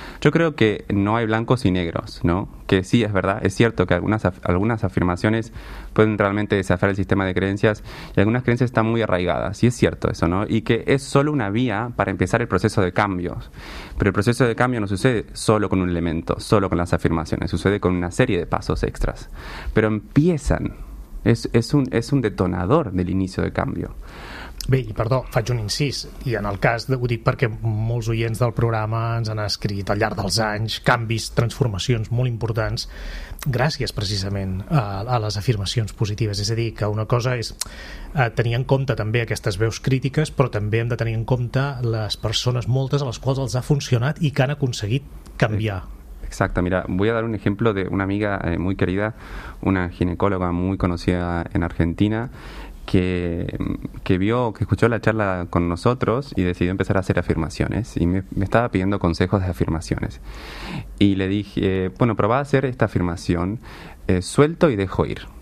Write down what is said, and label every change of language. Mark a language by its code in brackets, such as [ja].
[es] Yo creo que no hay blancos y negros, ¿no? Que sí, es verdad, es cierto que algunas afirmaciones pueden realmente desafiar el sistema de creencias y algunas creencias están muy arraigadas, y es cierto eso, ¿no? Y que es solo una vía para empezar el proceso de cambios. Pero el proceso de cambio no sucede solo con un elemento, solo con las afirmaciones, sucede con una serie de pasos extras. Pero empiezan, es un detonador del inicio de cambio. [ca] Bé, i perdó, faig un incís, i en el cas, ho dic perquè molts oients del programa ens han escrit al llarg dels anys canvis, transformacions molt importants, gràcies precisament a les afirmacions positives. És a dir, que una cosa és tenir en compte també aquestes veus crítiques, però també hem de tenir en compte les persones moltes a les quals els ha funcionat i que han aconseguit canviar. [es] Exacto, mira, voy a dar un ejemplo de una amiga muy querida, una ginecóloga muy conocida en Argentina, que vio, que escuchó la charla con nosotros y decidió empezar a hacer afirmaciones, y me estaba pidiendo consejos de afirmaciones. Y le dije, bueno, probá a hacer esta afirmación, suelto y dejo ir.